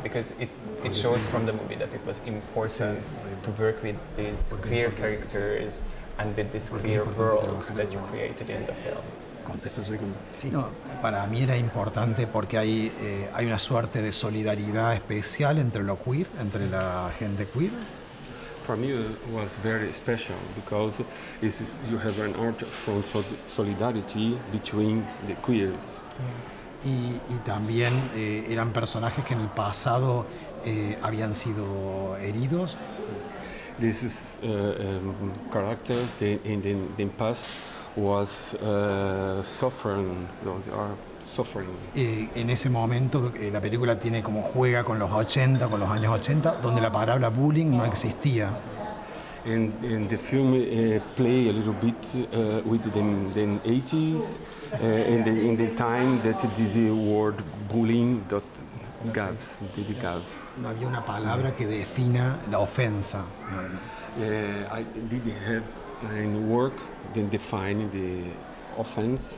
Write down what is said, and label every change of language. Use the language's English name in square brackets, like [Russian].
[English] Because it shows from the movie that it was important to work with these queer characters and with this queer world that you created in the film. [Spanish] Contesto yo con... Sí, no, para mí era importante porque hay una suerte de solidaridad especial entre lo queer, entre la gente queer. [English] For me it was very special because you have an art from solidarity between the queers. [Spanish] Y también eran personajes que en el pasado habían sido heridos. [English] This is characters in the past was suffering. They are suffering. [Spanish] En ese momento la película tiene como juega con los 80, con los años 80, donde la palabra bullying no existía. [English] In the film play a little bit with the 80s in the time that this word bullying didn't have. [Spanish] No había una palabra que defina la ofensa. [English] I didn't have in work then define the offense.